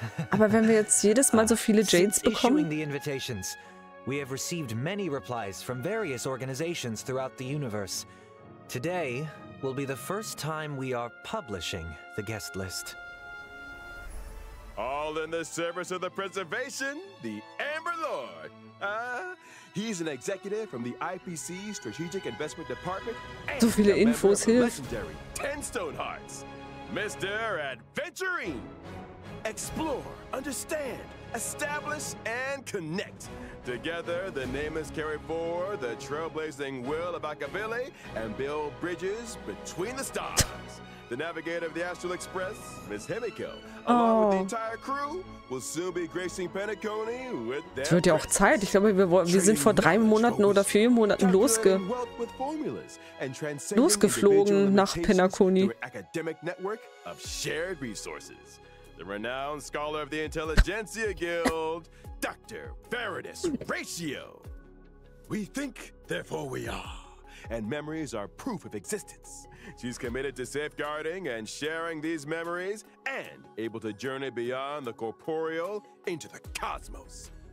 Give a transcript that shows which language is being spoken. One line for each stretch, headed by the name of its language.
German: Aber wenn wir jetzt jedes Mal so viele Jades bekommen?
English: Issuing the invitations, we have received many replies from various organizations throughout the universe. Today will be the first time we are publishing the guest list. All in the service of the preservation, the Amber Lord. He's an executive from the IPC Strategic Investment Department.
German: So viele Infos hier.
English: Legendary Ten Stone Hearts, Mr. Adventuring. Explore, understand, establish, and connect. Together, the name is carried forward, the trailblazing will of Akabili, and build bridges between the stars. The navigator of the Astral Express, Miss Himiko, along with the entire crew, will soon be gracing Penacony with their
German: Es wird ja auch Zeit. Ich glaube, wir sind vor 3 Monaten oder 4 Monaten losgeflogen nach Penacony.
English: Academic network of shared resources. The renowned scholar of the Intelligentsia Guild, Dr. Veritas Ratio. We think, therefore we are. And memories are proof of existence. She's committed to safeguarding and sharing these memories and able to journey beyond the corporeal into the cosmos.